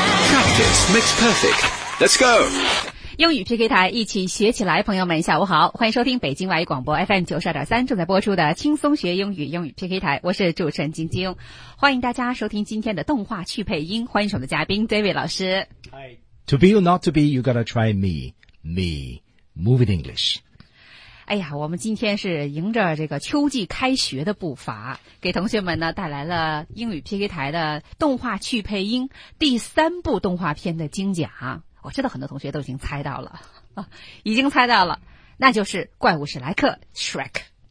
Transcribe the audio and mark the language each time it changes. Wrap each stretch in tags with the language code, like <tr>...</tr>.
<en>Practice makes perfect. Let's go.</en> <zh>英语 PK 台，一起学起来。朋友们，下午好，欢迎收听北京外语广播 FM92.3 正在播出的轻松学英语英语 PK 台，我是主持人晶晶，欢迎大家收听今天的动画趣配音，欢迎我们的嘉宾 David 老师。</zh> <en>Hi. To be or not to be, you gotta try me. Me. Move in English.</en> <zh>哎呀，我们今天是迎着这个秋季开学的步伐，给同学们呢带来了英语 PK 台的动画趣配音第三部动画片的精讲。我知道很多同学都已经猜到了，已经猜到了，那就是怪物史莱克 Shrek。</zh>